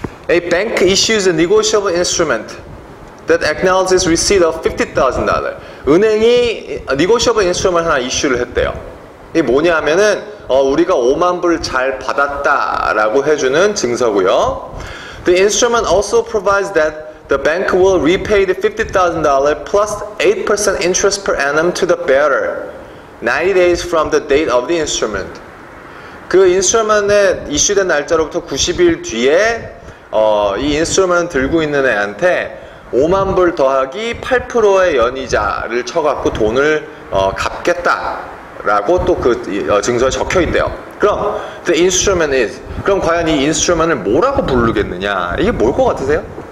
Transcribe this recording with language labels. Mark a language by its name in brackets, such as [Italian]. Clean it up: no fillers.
[English] A bank issues a negotiable instrument that acknowledges receipt of $50,000. [Korean] 은행이 negotiable instrument 하나 이슈를 했대요. 이게 뭐냐면은, 우리가 5만 불 잘 받았다라고 해주는 증서고요. [English] The instrument also provides that the bank will repay the $50,000 plus 8% interest per annum to the bearer 90 days from the date of the instrument. [Korean] 그 인스트루먼에 이슈된 날짜로부터 90일 뒤에 이 인스트루먼 들고 있는 애한테 5만 불 더하기 8%의 연이자를 쳐갖고 돈을 갚겠다라고 또 그 증서에 적혀 있대요. 그럼 [English] the instrument is, [Korean] 그럼 과연 이 인스트루먼을 뭐라고 부르겠느냐, 이게 뭘 것 같으세요?